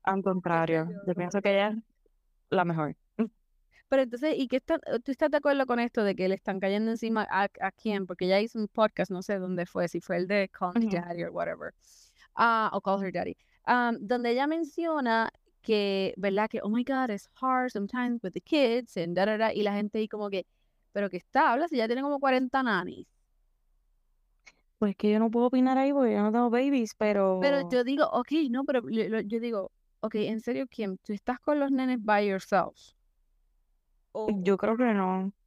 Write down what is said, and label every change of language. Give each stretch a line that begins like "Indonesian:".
Spanish: al contrario, yo pienso que ella es la mejor. Pero entonces, ¿y qué está, tú estás de acuerdo con esto de que le están cayendo encima a quién? Porque ya hizo un podcast, no sé dónde fue, si fue el de Call Me Daddy o whatever. O Call Her Daddy. Donde ella menciona que, ¿verdad? Que,
English: oh my God, it's hard sometimes with the kids and da-da-da.
Spanish: Y la gente ahí como que, ¿pero qué está? Hablas y ya tiene como 40 nannies. Pues que yo no puedo opinar ahí porque yo no tengo babies, pero... Pero yo digo, ok, no, pero yo digo, ok, en serio, Kim, tú estás con los nenes
English: by yourselves.
Spanish: Yo creo que no.